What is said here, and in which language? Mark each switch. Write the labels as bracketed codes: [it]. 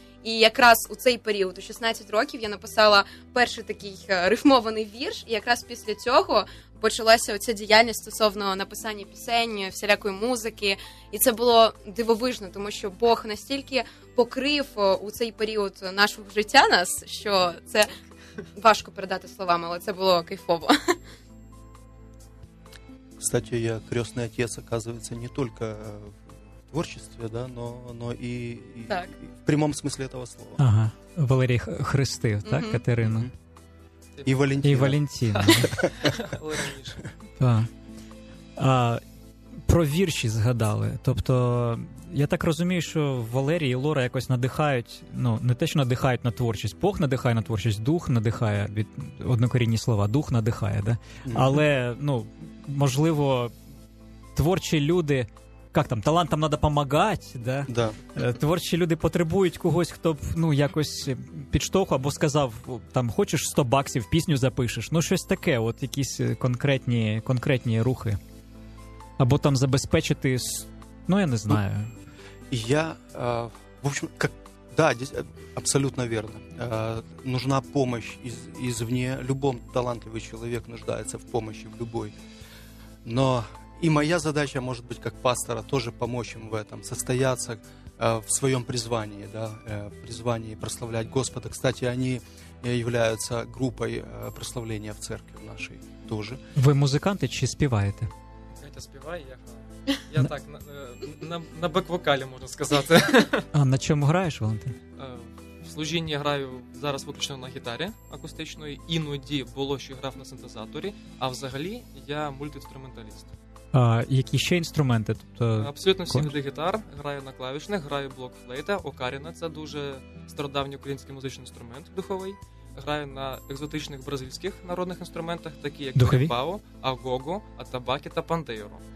[uk] І якраз у цей період, у 16 років, я написала перший такий рифмований вірш, і якраз після цього почалася оця діяльність стосовно написання пісень, всілякої музики. І це було дивовижно, тому що Бог настільки покрив у цей період нашого життя нас, що це важко передати словами, але це було кайфово. [ru] Кстати, я крестний отець, оказывается, [uk] не тільки [ru] творчестве, да, но и в прямом смысле этого слова. [uk] Ага. Валерий Христи, угу. Так, Катерина? [ru] И Валентина. И Валентина. Да. [uk] А, про вірші згадали. Тобто, я так розумію, що Валерій і Лора якось надихають, ну, не те, що надихають на творчість. Бог надихає на творчість, дух надихає, від однокорінні слова, дух надихає, да? Але, ну, можливо, творчі люди... [ru] Как там, талантам надо помогать, да? Да. [uk] Творчі люди потребують когось, хто б, ну, якось підштовхував або сказав, там, хочеш 100 баксів, пісню запишеш. Ну, щось таке, от якісь конкретні рухи. Або там забезпечити, ну, я не знаю. [ru] Я, в общем, как... да, абсолютно верно. Нужна помощь извне. Любом талантливый человек нуждается в помощи, в любой. Но... И моя задача, может быть, как пастора, тоже помочь им в этом, состояться в своем призвании, да, призвании прославлять Господа. Кстати, они являются группой прославления в церкви нашей тоже. Вы музыканты, [uk] чи співаете? Катя, співай, я так, [ru] на бэк-вокале, можно сказать. А на чем играешь, Валентин? В служении играю [uk] зараз виключно на гитаре акустичной, іноді було, що грав на синтезаторе, а взагалі я мультиінструменталіст. А які ще інструменти? Тобто... Абсолютно всі види гітар, граю на клавішних, граю блокфлейта, окаріна, це дуже стародавній український музичний інструмент духовий, граю на екзотичних бразильських народних інструментах, такі як кімбао, агого, атабаки та пандейро.